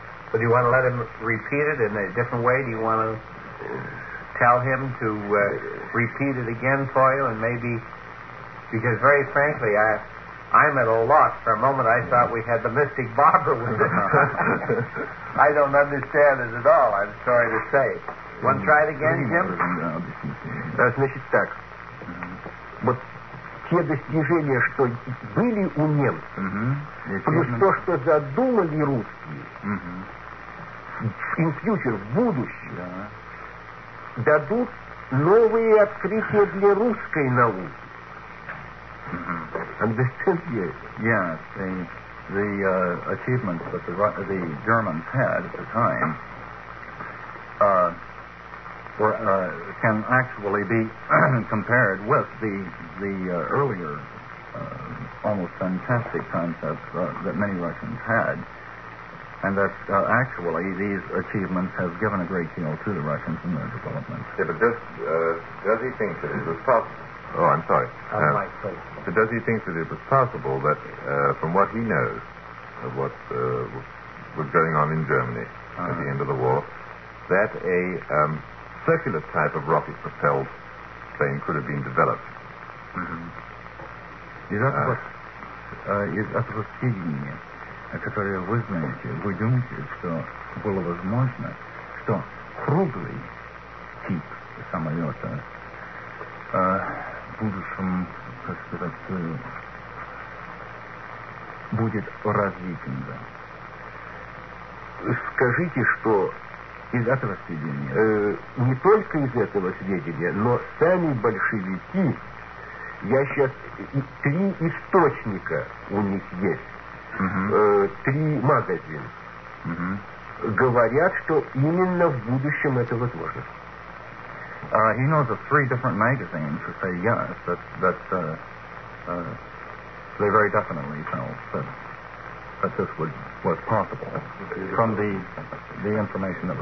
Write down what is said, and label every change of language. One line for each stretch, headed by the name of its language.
English: But do you want to let him repeat it in a different way? Do you want to tell him to repeat it again for you? And maybe... Because very frankly, I'm at a loss. For a moment, I thought we had the Mystic Barber with us. I don't understand it at all, I'm sorry to say. Want to try it again, Jim? That's Mrs. Tuck.
Russian: Вот те достижения, что были у немцев, плюс то, что задумали русские в будущем, дадут новые открытия для русской науки.
English: Understand? Yes, the achievements that the Germans had at the time can actually be compared with the earlier almost fantastic concepts that many Russians had, and that actually these achievements have given a great deal to the Russians in their development. Yeah, but does he think that it was possible? Oh, I'm sorry. But does he think that it was possible that from what he knows of what was going on in Germany at the end of the war, that a circular type of rocket-propelled plane could have been developed.
Russian: Из этого сведения, которое вы знаете, вы думаете, что было возможно, что круглый тип самолета в будущем, как сказать, будет развитым, да? Скажите, что из этого сведения? Не только из этого сведения, но сами большевики, я сейчас, три источника у них есть, три магазина, говорят, что именно в будущем это возможно.
English: He knows of three different magazines that say yes, they very definitely felt that this was possible from the information that was